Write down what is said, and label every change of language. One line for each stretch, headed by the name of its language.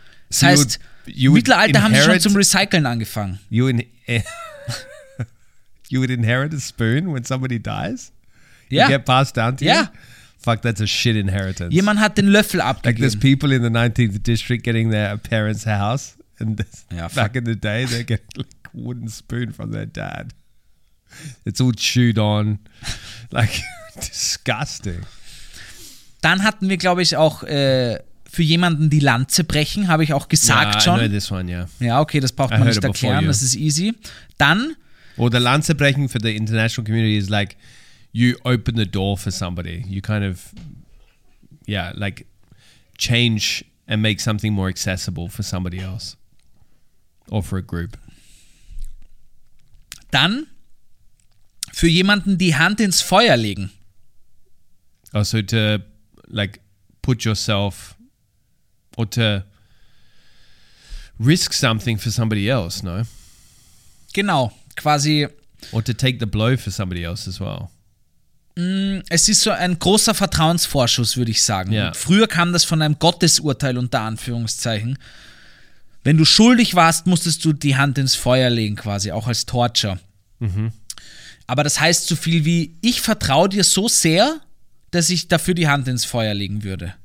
German: Das heißt, im Mittelalter haben sie schon zum Recyceln angefangen.
English: You would inherit a spoon when somebody dies? Yeah. You get passed down to yeah. you? Fuck, that's a shit inheritance.
German: Jemand hat den Löffel abgegeben.
English: Like there's people in the 19th district getting their parents' house and back in the day they get like a wooden spoon from their dad. It's all chewed on. Like, disgusting.
German: Dann hatten wir, glaube ich, auch für jemanden die Lanze brechen, habe ich auch gesagt schon.
English: Yeah, I know this one, yeah.
German: Ja, okay, das braucht man nicht erklären, das ist easy. Dann... Oder Lanze brechen
English: for the international community is like you open the door for somebody. You kind of, yeah, like change and make something more accessible for somebody else or for a group.
German: Dann für jemanden die Hand ins Feuer legen.
English: Also to like put yourself or to risk something for somebody else, no?
German: Genau. Quasi.
English: Or to take the blow for somebody else as well.
German: Es ist so ein großer Vertrauensvorschuss, würde ich sagen.
English: Yeah.
German: Früher kam das von einem Gottesurteil unter Anführungszeichen. Wenn du schuldig warst, musstest du die Hand ins Feuer legen, quasi, auch als Torture. Mhm. Aber das heißt so viel wie: Ich vertraue dir so sehr, dass ich dafür die Hand ins Feuer legen würde.